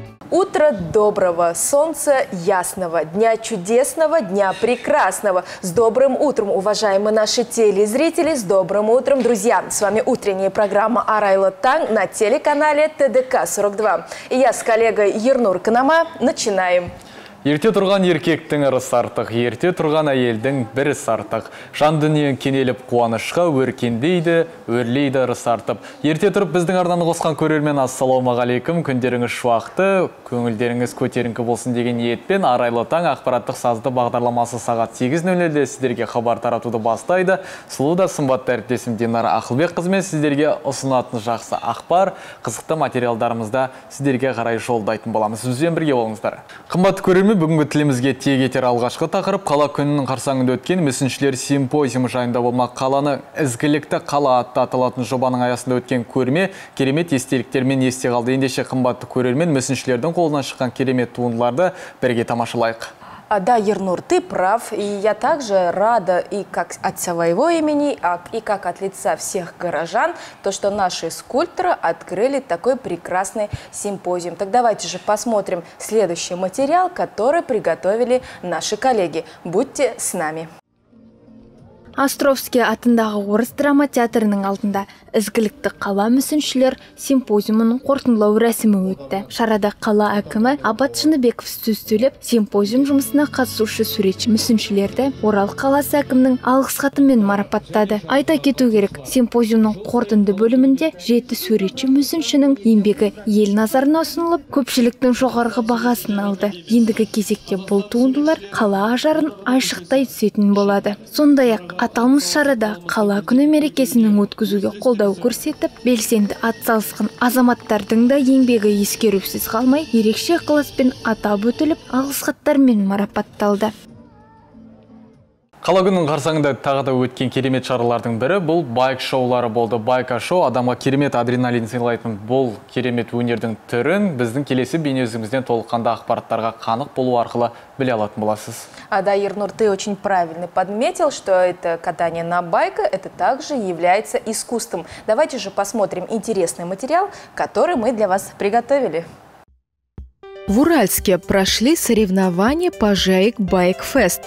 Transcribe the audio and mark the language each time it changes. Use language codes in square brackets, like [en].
[ru] Утро доброго, солнца ясного, дня чудесного, дня прекрасного. С добрым утром, уважаемые наши телезрители, с добрым утром, друзья. С вами утренняя программа «Арайла Танг» на телеканале ТДК-42. И я с коллегой Ернур Канама начинаем. [kk] Ерте тұрған еркектің ырыс артық, ерте тұрған әйелдің біріс артық. Жан дүние кенеліп қуанышқа өркендейді, өрлейді ырыс артып. Ерте тұрып біздің арнаны қосқан көрермен ассалаумағалейкум, күндеріңіз шуақты, көңілдеріңіз көтеріңкі болсын деген ниетпен «Арайлы таң» ақпараттық сазды бағдарламасы сағат 8:00-де сіздерге хабар таратуды бастайды. Сұлу да сымбатты әріптесім Динара Ақылбекқызы мен сіздерге ұсынатын жақсы ақпар, қызықты материалдарымызда сіздерге қарай жолдайтын боламыз. Сізбен бірге болыңыздар. Қымбатты көрермен, бүгінгі тілімізге тие кетер алғашқы тақырып қала күнінің қарсаңында өткен мүсіншілер симпозиумы жайында болмақ. Қаланы ізгілікті қала атты аталатын жобаның аясында өткен көрме керемет естеліктермен есте қалды. Ендеше қымбатты көрермен мүсіншілердің қолынан шыққан керемет туындыларды бірге тамашалайық. [ru] Да, Ернур, ты прав, и я также рада и как от своего имени, и как от лица всех горожан, то, что наши скульпторы открыли такой прекрасный симпозиум. Так давайте же посмотрим следующий материал, который приготовили наши коллеги. Будьте с нами. [kk] Островский атындағы орыс драма театрының алдында ізгілікті қала мүсіншілер симпозиумының қорытындылау рәсімі өтті. Шарада қала әкімі Абат Жыныбеков сөз сөйлеп, симпозиум жұмысына қатысушы суретші мүсіншілерді Орал қаласы әкімінің алғыс хатымен марапаттады. Айта кету керек, симпозиумның қорытынды бөлімінде 7 суретші мүсіншінің еңбегі ел назарына ұсынылып, көпшіліктің жоғарғы бағасын алды. Ендігі кезекте бұл туындылар қала ажарын айшықтай түсетін болады. Сондай-ақ аталмыш шарада қала күні мерекесінің өткізуге қолдау көрсетіп, белсенді атсалысқан азаматтардың да еңбегі ескерусіз қалмай, ерекше ықыласпен атап өтіліп, алғыс хаттармен марапатталды. Қала күнінің қарсаңында тағы да өткен керемет шаралардың бірі бұл байк шоулары болды. Байка шоу адамға керемет адреналин сыйлайтын бұл керемет өнердің түрін біздің келесі бейнеөзімізден толыққанды ақпараттарға қанық болу арқылы біле алатын боласыз. [ru] Да, Ернур, ты очень правильно подметил, что это катание на байке, это также является искусством. Давайте же посмотрим интересный материал, который мы для вас приготовили. В Уральске прошли соревнования «Пожайк Байк Фест».